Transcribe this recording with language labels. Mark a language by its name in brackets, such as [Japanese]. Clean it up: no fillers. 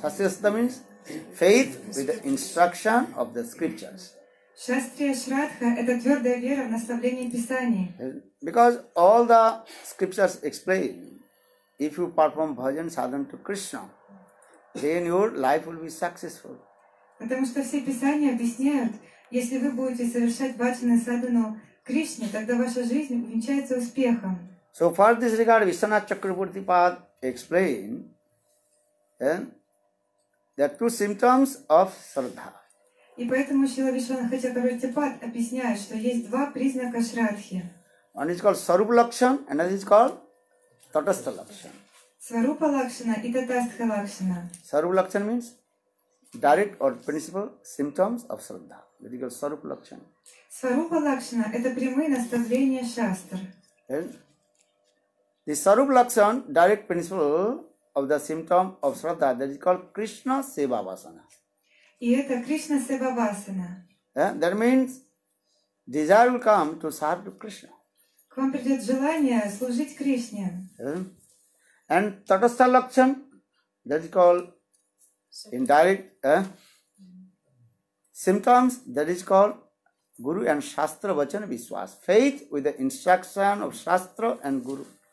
[English] Shastriya Shraddha means faith with the instruction of the scriptures. [Russian] Shastriya Shraddha – это твердая вера в наставление Писания. [English] Because all the scriptures explain, if you perform bhajan sadhana to Krishna, then your life will be successful. [Russian] Потому что все Писания объясняют, если вы будете совершать бхаджана садхану Кришне, тогда ваша жизнь увенчается успехом. [English] So for this regard, Vishwanath Chakraborty Pad explain there are two symptoms of Shraddha. [Russian] И поэтому Шрила Вишванатха Чакраборти Пад объясняет, что есть два признака Шраддхи. [English] One is called Swarupa Lakshan, another is called Tatastha Lakshan. [Russian] Swarupa Lakshana и Tatastha Lakshana. [English] Swarupa Lakshan means direct or principal symptoms of Shraddha. That is called Swarupa Lakshana. [Russian] Swarupa Lakshana – это прямые наставления Шастр. [English] The Swarupa Lakshana, direct principle of the symptom of Shraddha, that is called Krishna Seva Vasana. [Russian] И это Krishna Seva Vasana. [English] That means desire will come to serve to Krishna. [Russian] К вам придет желание служить Кришне. [English] And Tatastha Lakshana, that is called indirect symptoms, that is called Guru and Shastra Vachana Vishwas. Faith with the instruction of Shastra and Guru.